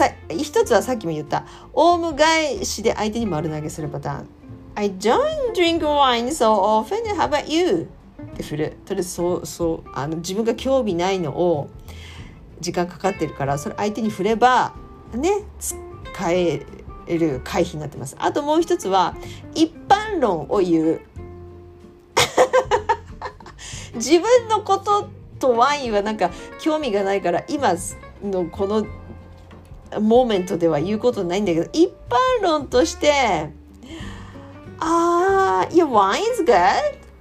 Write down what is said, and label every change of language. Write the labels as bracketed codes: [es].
[ja] 一つはさっきも言ったオウム返しで相手に丸投げするパターン。 [en] I don't drink wine so often, how about you? [ja] って振る。とりあえずそう自分が興味ないのを時間かかってるからそれ相手に振ればね、使える回避になってます。あともう一つは一般論を言う自分のこととワインはなんか興味がないから今のこのモーメントでは言うことないんだけど、一般論として、あー [en] Your wine's good?